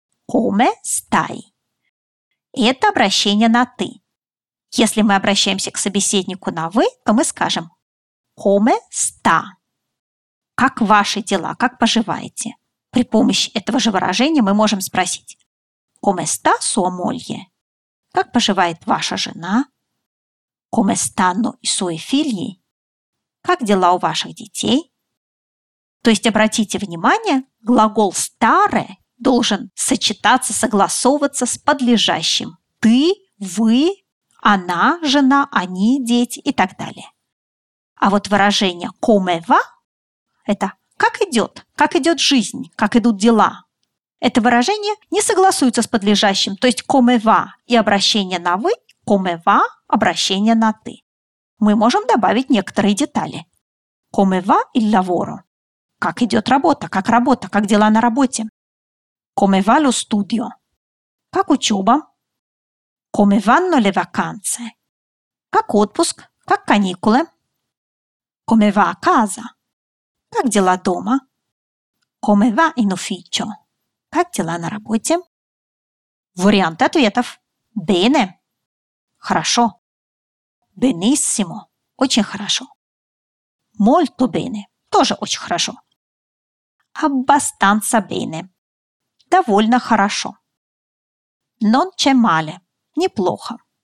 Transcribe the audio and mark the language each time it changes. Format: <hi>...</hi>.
<it>«Come stai?»</it> <ru>Это обращение на «ты». Если мы обращаемся к собеседнику на «вы», то мы скажем</ru> <it>«Come sta?»</it> <ru>Как ваши дела? Как поживаете? При помощи этого же выражения мы можем спросить</ru> <it>«Come sta sua moglie?»</it> <ru>Как поживает ваша жена?</ru> <it>«Come stanno i suoi figli?»</it> <ru>Как дела у ваших детей? То есть, обратите внимание, глагол «stare» должен сочетаться, согласовываться с подлежащим «ты», «вы», «она», «жена», «они», «дети» и так далее. А вот выражение</ru> <it>«come va»</it> <ru>– это как идет жизнь, как идут дела. Это выражение не согласуется с подлежащим, то есть</ru> <it>«come va»</it> <ru>и обращение на «вы», «come va» – обращение на «ты». Мы можем добавить некоторые детали.</ru> <it>«Come va il lavoro»</it> <ru>– как идет работа, как дела на работе.</ru> <it>«Come va lo studio»</it> <ru>– как учеба.</ru> <it>«Come vanno le vacanze?»</it> <ru>Как отпуск, как каникулы.</ru> <it>«Come va a casa?»</it> <ru>Как дела дома.</ru> <it>«Come va in ufficio?»</it> <ru>Как дела на работе. Варианты ответов.</ru> <it>«Bene»</it> <ru>– хорошо.</ru> <it>«Benissimo»</it> <ru>– очень хорошо.</ru> <it>«Molto bene»</it> <ru>– тоже очень хорошо.</ru> <it>«Abbastanza bene»</it> <ru>– довольно хорошо.</ru> <it>«Non c'è male» –</it> <ru>неплохо.</ru>